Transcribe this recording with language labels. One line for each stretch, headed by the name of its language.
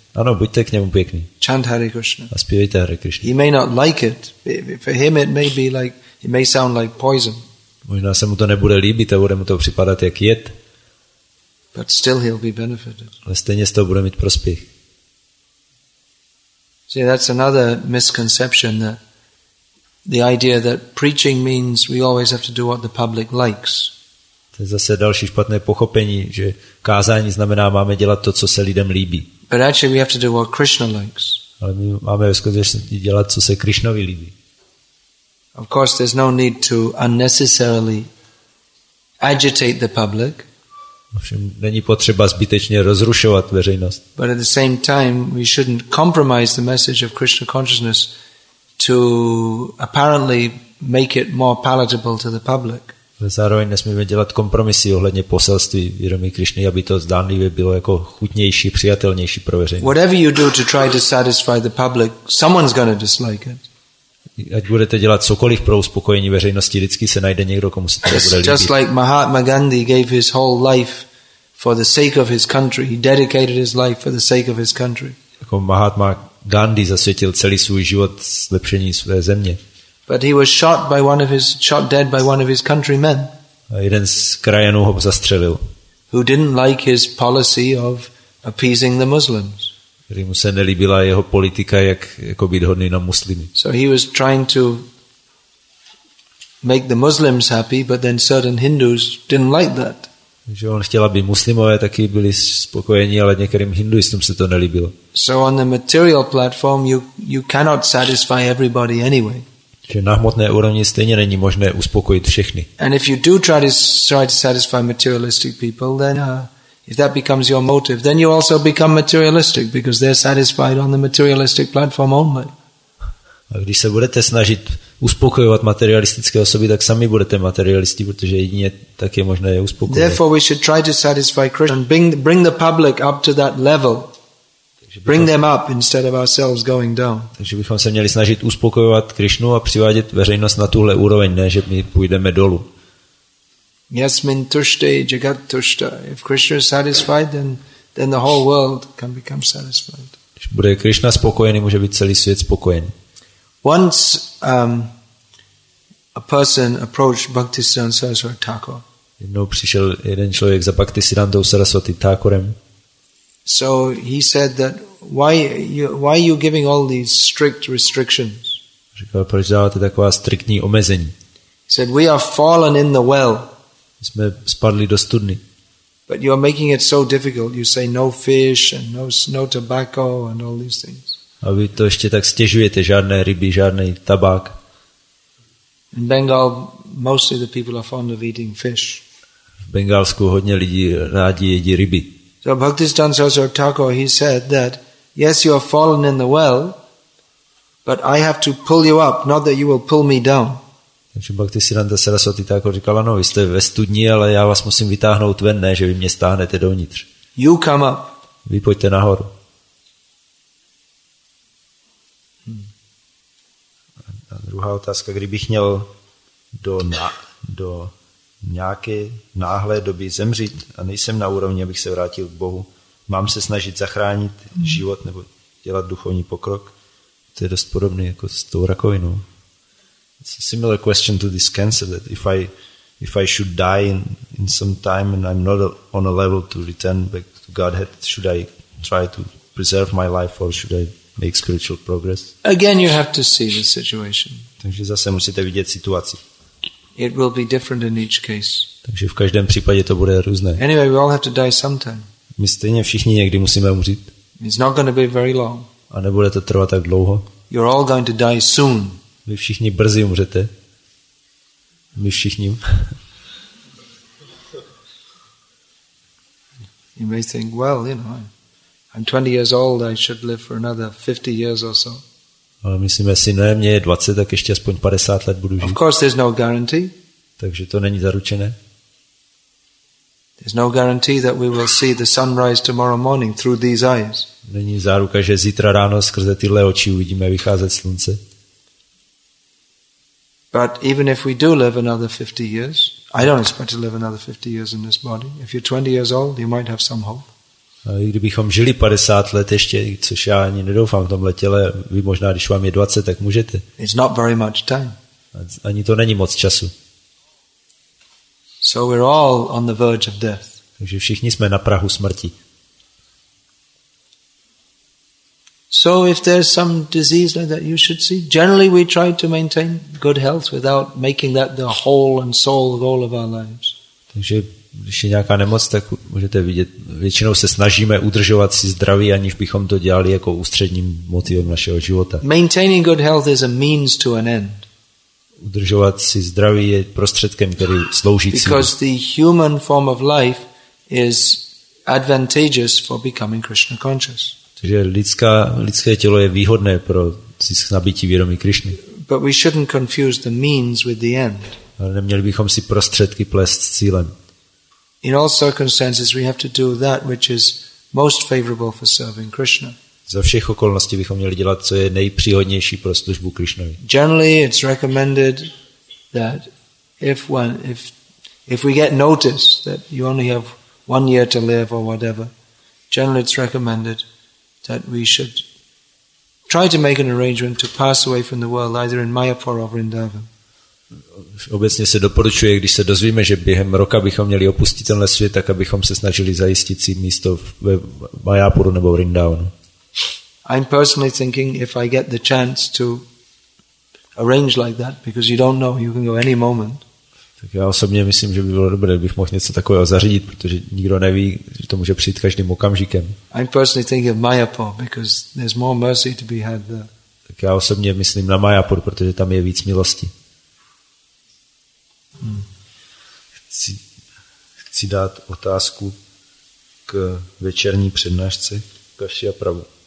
Czech: Ano, buďte k němu pěkný.
English: Chant Hare Krishna.
Czech: A zpívejte Hare Krishna.
English: He may not like it. For him it may be like, it may sound like poison.
Czech: Možná se mu to nebude líbit a bude mu to připadat jak jed.
English: But still he'll be benefited.
Czech: Ale stejně z toho bude mít prospěch.
English: See, that's another misconception, that the idea that preaching means we always have to do what the public likes.
Czech: To je zase další špatné pochopení, že kázání znamená, máme dělat to, co se lidem líbí.
English: But actually we have to do what Krishna likes.
Czech: Ale my máme skutečně dělat, co se Krishnovi líbí.
English: Of course, there's no need to unnecessarily agitate the public.
Czech: Ovšem, není potřeba zbytečně rozrušovat veřejnost.
English: But at the same time, we shouldn't compromise the message of Krishna consciousness to apparently make it more palatable to the public.
Czech: Ale zároveň nesmíme dělat kompromisy ohledně poselství vědomí Krišny, aby to zdánlivě bylo jako chutnější, přijatelnější pro veřejnost.
English: Whatever you do to try to satisfy the public, someone's going to dislike it.
Czech: Ať budete dělat cokoliv pro uspokojení veřejnosti, vždycky se najde někdo, komu se to bude líbit.
English: Just like Mahatma Gandhi gave his whole life for the sake of his country, he dedicated his life for the sake of his country.
Czech: Jako Mahatma Gandhi zasvětil celý svůj život zlepšení své země.
English: But he was shot dead by one of his countrymen.
Czech: A jeden z krajanů ho zastřelil.
English: Who didn't like his policy of appeasing the Muslims.
Czech: Který mu se nelíbila jeho politika, jako být hodný na muslimy.
English: So he was trying to make the Muslims happy, but then certain Hindus didn't like that.
Czech: Že on chtěl, aby muslimové taky byli spokojení, ale některým hinduistům se to nelíbilo.
English: So on the material platform you cannot satisfy everybody anyway.
Czech: Že na hmotné úrovni stejně není možné uspokojit všechny.
English: And if you do try to satisfy materialistic people, then if that becomes your motive, then you also become materialistic, because they're satisfied on the materialistic platform only.
Czech: A když se budete snažit uspokojovat materialistické osoby, tak sami budete materialisti, protože jedině tak je možné je uspokojit.
English: Therefore we should try to satisfy Krishna and bring the public up to that level. Bring them up instead of ourselves going down.
Czech: Takže bychom se měli snažit uspokojovat Krišnu a přivádět veřejnost na tuhle úroveň, ne že my půjdeme dolů.
Sanskrit: Yasmin tushti jagat tushta.
English: If Krishna is satisfied, then the whole world can become satisfied.
Czech: Když bude Krišna spokojený, může být celý svět spokojen.
English: Once a person approached Bhaktisiddhanta Saraswati Thakur.
Czech: Jednou přišel jeden člověk za Bhaktisiddhantou Saraswati Thakurem.
English: So he said that why are you giving all these strict restrictions?
Czech: Říkal, proč dáváte taková striktní omezení?
English: said, "We are fallen in the well."
Czech: Jsme spadli do studny.
English: But you are making it so difficult. You say no fish and no tobacco and all these things.
Czech: A vy to ještě tak stěžujete, žádné ryby, žádný tabák.
English: In Bengal, mostly the people are fond of eating fish.
Czech: V Bengálsku hodně lidí rádi jedí ryby.
English: So Bhaktisiddhanta Saraswati Thakur, he said that, yes, you have fallen in the well, but I have to pull you up, not that you will pull me down.
Czech: Takže Bhaktisiddhanta Saraswati Thakur říkal, ano, vy jste ve studni, ale já vás musím vytáhnout ven, ne, že vy mě stáhnete dovnitř.
English: You come up.
Czech: Vy pojďte nahoru. A druhá otázka, kdybych měl do nějaké náhlé doby zemřít a nejsem na úrovni, abych se vrátil k Bohu, mám se snažit zachránit život nebo dělat duchovní pokrok? To je dost podobné jako s tou rakovinou.
English: It's a similar question to this cancer, that if I should die in some time and I'm not on a level to return back to Godhead, should I try to preserve my life or should I make spiritual progress? Again, you have to see the situation.
Czech: Takže zase musíte vidět situaci.
English: It will be different in each case.
Czech: Takže v každém případě to bude různé.
English: Anyway, we all have to die sometime.
Czech: My stejně všichni někdy musíme umřít.
English: It's not going to be very long.
Czech: A nebude to trvat tak dlouho.
English: You're all going to die soon.
Czech: Vy všichni brzy umřete. My všichni.
English: You may think, well, you know, I'm 20 years old, I should live for another 50 years or so.
Czech: Ale myslíme si, ne, mně je 20, tak ještě aspoň 50 let budu žít.
English: Of course there's no guarantee.
Czech: Takže to není zaručené.
English: There's no guarantee that we will see the sunrise tomorrow morning through these eyes.
Czech: Není záruka, že zítra ráno skrze tyhle oči uvidíme vycházet slunce.
English: But even if we do live another 50 years, I don't expect to live another 50 years in this body. If you're 20 years old, you might have some hope.
Czech: A i kdybychom žili 50 let ještě, což já ani nedoufám v tomhle těle, vy možná, když vám je 20, tak můžete.
English: It's not very much time.
Czech: Ani to není moc času.
English: So we're all on the verge of death.
Czech: Takže všichni jsme na prahu smrti.
English: So if there's some disease like that, you should see. Generally we try to maintain good health without making that the whole and sole goal of our lives.
Czech: Takže když je nějaká nemoc, tak můžete vidět, většinou se snažíme udržovat si zdraví, aniž bychom to dělali jako ústředním motivem našeho života.
English: Maintaining good health is a means to an end.
Czech: Udržovat si zdraví je prostředkem, který slouží cíli.
English: Because the human form of life is advantageous for becoming Krishna conscious.
Czech: Takže lidské tělo je výhodné pro nabytí vědomí Krišny.
English: But we shouldn't confuse the means with the end.
Czech: Ale neměli bychom si prostředky plést s cílem.
English: In all circumstances we have to do that which is most favorable for serving Krishna.
Czech: Za všech okolností bychom měli dělat, co je nejpříhodnější pro službu Krišnovi.
English: Generally it's recommended that if we get notice that you only have one year to live or whatever, generally it's recommended that we should try to make an arrangement to pass away from the world either in Mayapur or Vrindavan.
Czech: Obecně se doporučuje, když se dozvíme, že během roka bychom měli opustit tenhle svět, tak abychom se snažili zajistit si místo ve Mayapuru nebo Vrindavanu.
English: I'm personally thinking if I get the chance to arrange like that, because you don't know, you can go any moment.
Czech: Tak já osobně myslím, že by bylo dobré, kdybych mohl něco takového zařídit, protože nikdo neví, že to může přijít každým okamžikem.
English: I'm personally thinking of Mayapur, because there's more mercy to be had there.
Czech: Tak já osobně myslím na Mayapur, protože tam je víc milosti. Chci dát otázku k večerní přednášce Kashyap Prabhu.